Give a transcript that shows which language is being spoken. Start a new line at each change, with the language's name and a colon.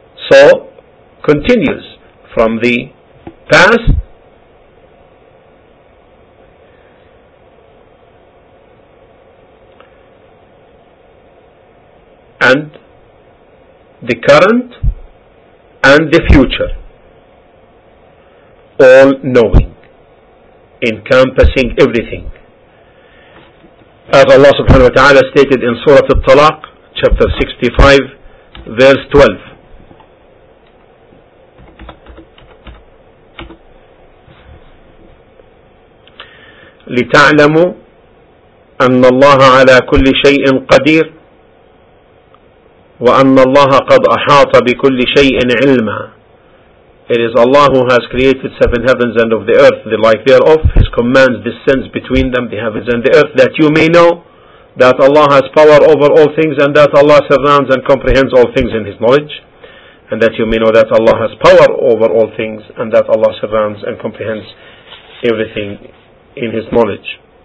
English: So, continues from the past and the current and the future, all knowing, encompassing everything. As Allah subhanahu wa ta'ala stated in Surah Al-Talaq, chapter 65, verse 12,
Arabic: لتعلموا أن الله على كل شيء قدير وأن الله قد أحاط بكل شيء علما.
English: It is Allah who has created seven heavens and of the earth, the like thereof, His commands descends between them, the heavens and the earth, that you may know that Allah has power over all things, and that Allah surrounds and comprehends all things in His knowledge, and that you may know that Allah has power over all things, and that Allah surrounds and comprehends everything in His knowledge.